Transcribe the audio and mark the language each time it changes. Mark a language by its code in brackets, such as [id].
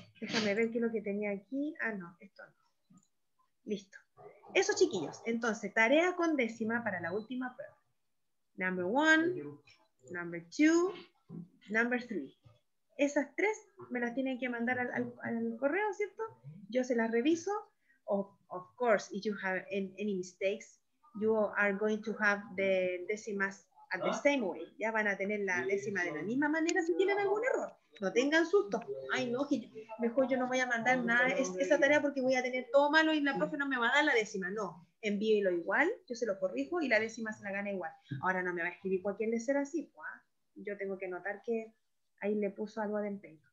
[es] Déjame ver qué es lo que tenía aquí. Ah, no, esto no. Listo. Eso, chiquillos. Entonces, tarea con décima para la última prueba. [en] Number one, number two, number three. [es] Esas tres me las tienen que mandar al correo, ¿cierto? Yo se las reviso. [en] Of course, if you have any mistakes, you are going to have the decimas at the same way. [es] Ya van a tener la décima de la misma manera si tienen algún error. No tengan susto. Ay, no, que mejor yo no voy a mandar nada esa tarea porque voy a tener todo malo y la profe no me va a dar la décima. No, envíelo igual, yo se lo corrijo y la décima se la gana igual. Ahora no me va a escribir cualquier lecer así. ¿Cuál? Yo tengo que notar que ahí le puso algo de empeño.